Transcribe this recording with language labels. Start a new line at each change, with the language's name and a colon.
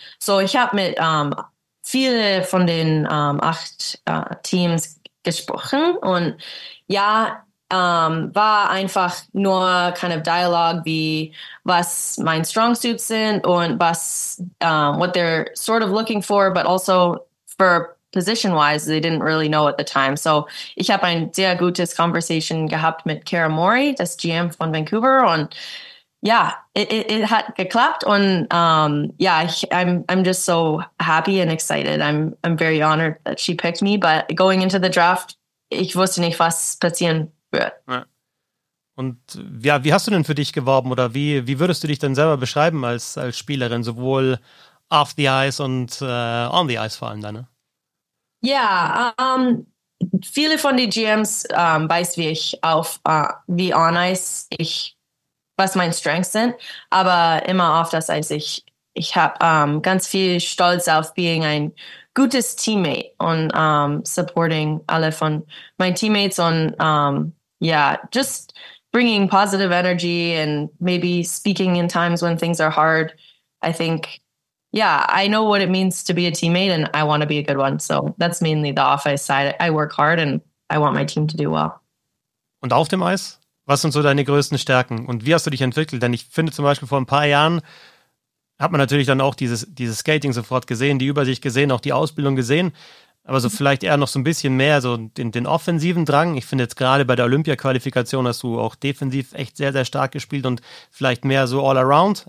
German: So ich habe mit viele von den 8 Teams gesprochen und ja, war einfach nur kind of Dialog, wie was mein Strong Suits sind und was
English: what they're sort of looking for, but also for position-wise, they didn't really know at the time.
German: So ich habe ein sehr gutes Conversation gehabt mit Kara Mori, das GM von Vancouver. Und ja, it hat geklappt.
English: Und ja, I'm just so happy and excited. I'm very honored that she picked me. But going into the draft,
German: ich wusste nicht, was passieren wird. Ja. Und ja, wie hast du denn für dich geworben? Oder wie würdest du dich denn selber beschreiben als Spielerin, sowohl
English: off the ice
German: und on the ice vor allem dann, ne? Ja, viele von den GMs weiß, wie ich auf wie on ice ich, was meine Strengths sind, aber immer auf das Eis. Ich habe ganz viel Stolz auf
English: being ein gutes Teammate und supporting alle von meinen Teammates und just bringing positive energy and maybe speaking in times when things are hard. I think, yeah, I know what it means to be a teammate and I want to be a good one. So that's mainly the off-ice side. I work hard and I want my team to do well.
German: Und auf dem Eis? Was sind so deine größten Stärken und wie hast du dich entwickelt? Denn ich finde zum Beispiel vor ein paar Jahren hat man natürlich dann auch dieses Skating sofort gesehen, die Übersicht gesehen, auch die Ausbildung gesehen, aber so vielleicht eher noch so ein bisschen mehr so den offensiven Drang. Ich finde jetzt gerade bei der Olympia-Qualifikation hast du auch defensiv echt sehr, sehr stark gespielt und vielleicht mehr so all around.